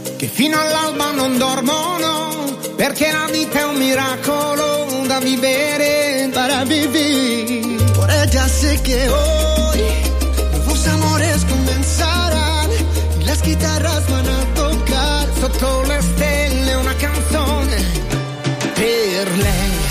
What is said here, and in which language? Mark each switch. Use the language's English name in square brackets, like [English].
[Italian] Fino all'alba non dormono, perché la vita è un miracolo da vivere, [Spanish] para vivir. Por ella sé que hoy los amores comenzarán y las guitarras van a tocar. [Italian] Sotto le stelle una canzone per lei.